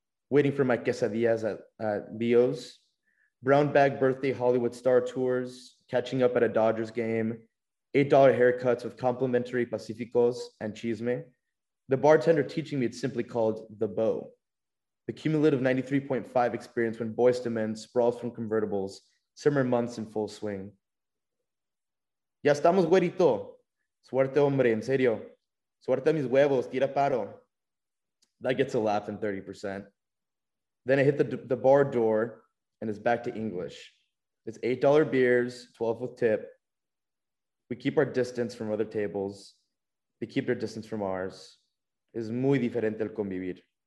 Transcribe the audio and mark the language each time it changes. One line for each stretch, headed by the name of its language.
English: waiting for my quesadillas at Leo's, brown bag birthday Hollywood star tours, catching up at a Dodgers game, $8 haircuts with complimentary pacificos and chisme, the bartender teaching me it's simply called the bow, the cumulative 93.5 experience when boys to men sprawls from convertibles, summer months in full swing.
Spanish: Ya estamos güerito. Suerte hombre, en serio. Suerte mis huevos, tira paro.
English: That gets a laugh in 30%. Then I hit the bar door and it's back to English. It's $8 beers, 12 with tip. We keep our distance from other tables. They keep their distance from ours.
Spanish: Es muy diferente el convivir.